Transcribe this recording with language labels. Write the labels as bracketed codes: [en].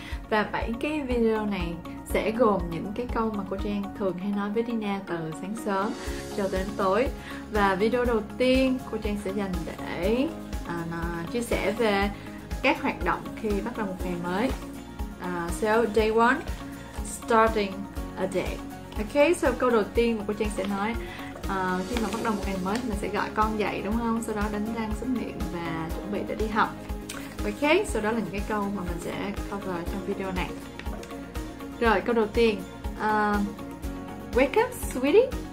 [vi] Và 7 cái video này sẽ gồm những cái câu mà cô Trang thường hay nói với Dina từ sáng sớm cho đến tối. Và video đầu tiên cô Trang sẽ dành để chia sẻ về các hoạt động khi bắt đầu một ngày mới. [en] So day one, starting a day. [vi] Okay, so câu đầu tiên mà cô Trang sẽ nói khi mà bắt đầu một ngày mới thì mình sẽ gọi con dậy đúng không? Sau đó đánh răng, súc miệng và chuẩn bị để đi học. Okay, sau đó là những cái câu mà mình sẽ cover trong video này. Rồi câu đầu tiên, [en] wake up, sweetie.